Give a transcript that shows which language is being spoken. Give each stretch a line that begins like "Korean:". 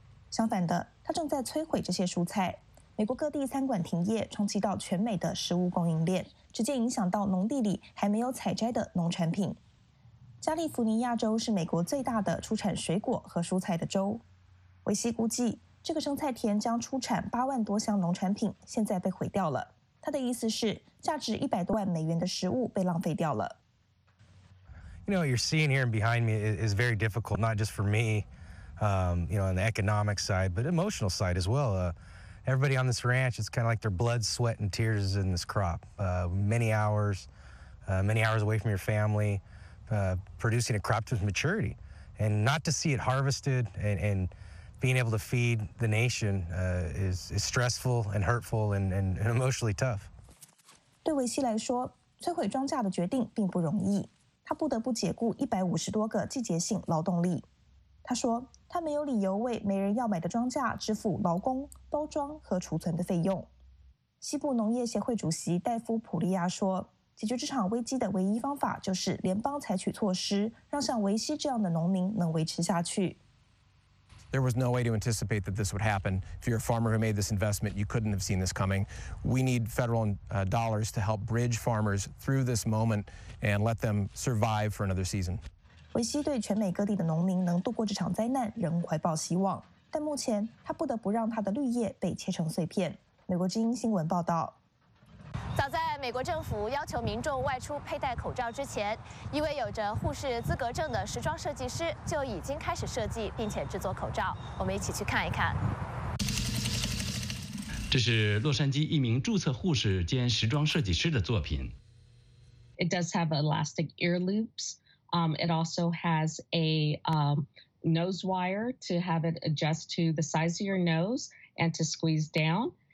Chinese: 相反的，它正在摧毁这些蔬菜。美国各地餐馆停业，冲击到全美的食物供应链，直接影响到农地里还没有采摘的农产品。加利福尼亚州是美国最大的出产水果和蔬菜的州。维西估计，这个生菜田将出产80,000多箱农产品，现在被毁掉了。他的意思是，价值100多万美元的食物被浪费掉了。
English: You know, you're seeing here behind me is very difficult, not just for me, you know, on the economic side, but emotional side as well. Everybody on this ranch, it's kind of like their blood, sweat, and tears is in this crop. Many hours away from your family, producing a crop to maturity, and not to see it harvested and being able to feed the nation is stressful and hurtful and emotionally tough.
Chinese: 对维西来说，摧毁庄稼的决定并不容易。他不得不解雇150多个季节性劳动力。他说，他没有理由为没人要买的庄稼支付劳工、包装和储存的费用。西部农业协会主席戴夫·普利亚说，解决这场危机的唯一方法就是联邦采取措施，让像维西这样的农民能维持下去。
English: There was no way to anticipate that this would happen. If you're a farmer who made this investment, you couldn't have seen this coming. We need federal dollars to help bridge farmers through this moment and let them survive for another season.
Chinese: 维西对全美各地的农民能度过这场灾难仍怀抱希望，但目前他不得不让他的绿叶被切成碎片。美国之音新闻报道。早在美国政府要求民众外出佩戴口罩之前，一位有着护士资格证的时装设计师就已经开始设计并且制作口罩。我们一起去看一看。这是洛杉矶一名注册护士兼时装设计师的作品。
English: It does have elastic ear loops. It also has a nose wire to have it adjust to the size of your nose and to squeeze down.